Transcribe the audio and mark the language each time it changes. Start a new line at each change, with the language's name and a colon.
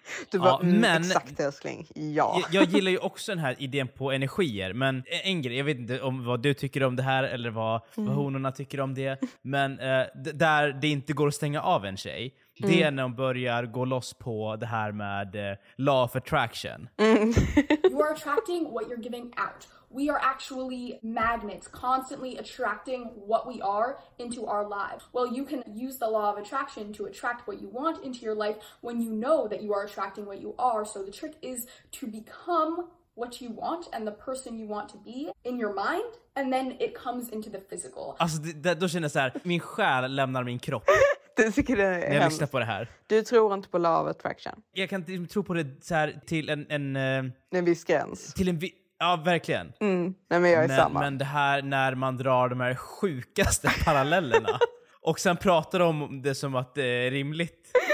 Swedish: Du bara, men exakt, älskling. Ja. Jag gillar ju också den här idén på energier, men en grej, jag vet inte om vad du tycker om det här eller vad honorna tycker om det, men där det inte går att stänga av en tjej, det är när de börjar gå loss på det här med law of attraction.
English: You are attracting what you're giving out. We are actually magnets, constantly attracting what we are into our lives. Well, you can use the law of attraction to attract what you want into your life when you know that you are attracting what you are. So the trick is to become what you want and the person you want to be in your mind, and then it comes into the physical.
Swedish: Alltså, då känner jag så här, min själ lämnar min kropp. Det tycker jag är när jag lyssnar på det här. Du tror inte på law of attraction. Jag kan inte tro på det så här till en viss gräns. Till en ja, verkligen. Mm. Nej, men jag är samma. Men det här när man drar de här sjukaste parallellerna och sen pratar om det som att det är rimligt.